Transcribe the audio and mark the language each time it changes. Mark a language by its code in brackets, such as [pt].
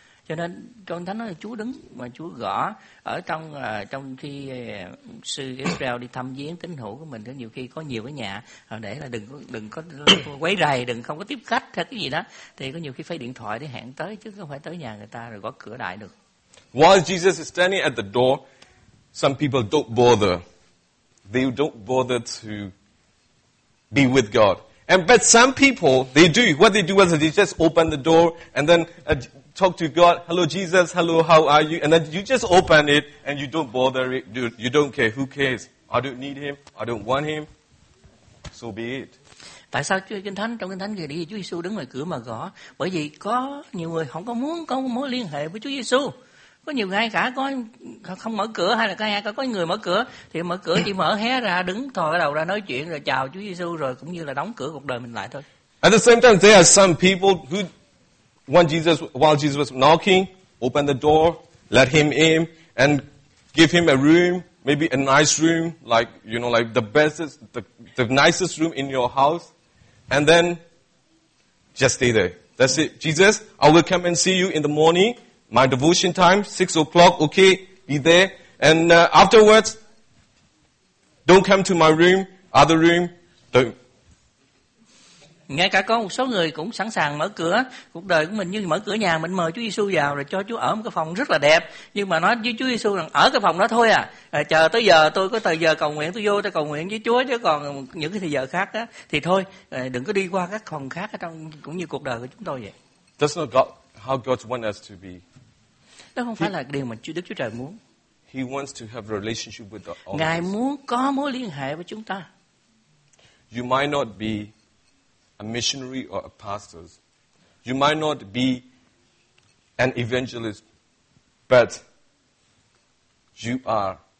[vi] Cho nên con thánh nói là Chúa đứng mà Chúa gõ ở trong trong khi sư Israel đi thăm viếng tín hữu của mình, thì nhiều khi có nhiều cái nhà để là đừng có quấy rầy, đừng không có tiếp khách hay cái gì đó, thì có nhiều khi phải điện thoại để hẹn tới chứ không phải tới nhà người ta rồi gõ cửa đại được. [en] While Jesus is standing at the door, some people don't bother. They don't bother to be with God. And but some people they do. What they do is they just open the door and then talk to God, hello Jesus, hello, how are you? And then you just open it and you don't bother it, dude. You don't care, who cares? I don't need him, I don't want him, so be it. [vi] Tại sao Chúa Kinh Thánh, trong Kinh Thánh ghi Chúa Giêsu đứng ngoài cửa mà gõ? Bởi vì có nhiều người không có muốn có mối liên hệ với Chúa Giêsu. Có nhiều ngay cả có không mở cửa hay là có ai có người mở cửa thì mở cửa chỉ mở hé ra đứng thò cái đầu ra nói chuyện rồi chào Chúa Giêsu rồi cũng như là đóng cửa cuộc đời mình lại thôi. [en] At the same time, there are some people who while Jesus was knocking, open the door, let him in, and give him a room, maybe a nice room, like, you know, like the nicest room in your house. And then, just stay there. That's it. Jesus, I will come and see you in the morning. My devotion time, 6 o'clock. Okay, be there. And afterwards, don't come to my room, other room. Don't. [vi] Ngay cả có một số người cũng sẵn sàng mở cửa cuộc đời của mình, như mở cửa nhà mình mời Chúa Giêsu vào rồi cho Chúa ở một cái phòng rất là đẹp, nhưng mà nói với Chúa Giêsu rằng ở cái phòng đó thôi à, chờ tới giờ tôi có thời giờ cầu nguyện tôi vô tôi cầu nguyện với Chúa, chứ còn những cái thời giờ khác đó thì thôi, đừng có đi qua các phòng khác ở trong, cũng như cuộc đời của chúng tôi vậy. [en] That's not God, how God wants us to be. [vi] Đó không phải là điều mà Đức Chúa Trời muốn. [en] He wants to have a relationship with all. [vi] Ngài muốn có mối liên hệ với chúng ta. [en] You might not be a missionary or a pastor. You might not be an evangelist, but you are.